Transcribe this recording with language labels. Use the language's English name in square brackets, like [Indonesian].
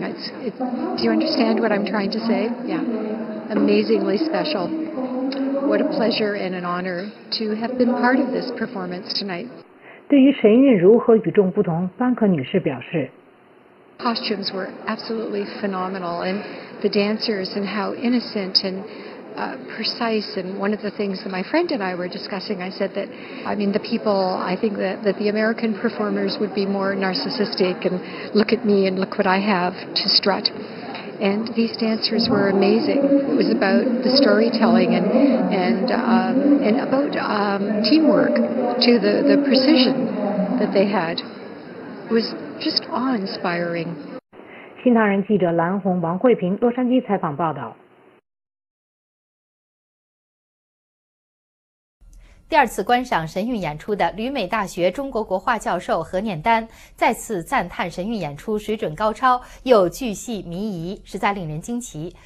[English] Do you understand what I'm trying to say? Yeah. Amazingly special. What a pleasure and an honor to have been part of this performance tonight. [Chinese] 对于神韵如何与众不同，班克女士表示。 [English] Costumes were absolutely phenomenal, and the dancers and how innocent and precise. And one of the things that my friend and I were discussing, I said that, I mean, the people, I think that the American performers would be more narcissistic and look at me and look what I have to strut. And these dancers were amazing. It was about the storytelling and about teamwork, to the precision that they had. It was just awe-inspiring. [Chinese] 新唐人记者蓝红、王慧平，洛杉矶采访报道。第二次观赏神韵演出的旅美大学中国国画教授何念丹再次赞叹神韵演出水准高超，又巨细靡遗，实在令人惊奇。